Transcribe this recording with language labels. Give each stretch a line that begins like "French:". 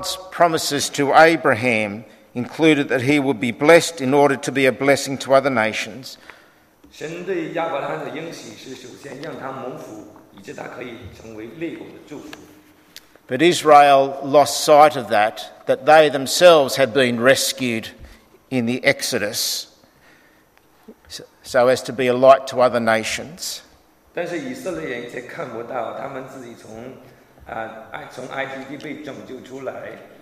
English: promises to Abraham included that he would be blessed in order to be a blessing to other nations.
Chinese: 神对亚伯拉罕的应许是首先让他蒙福，以致他可以成为列国的祝福。
English: But Israel lost sight of that, that they themselves had been rescued in the Exodus so as to be a light to other nations.
Chinese: 但是以色列人却看不到他们自己从埃及地被拯救出来。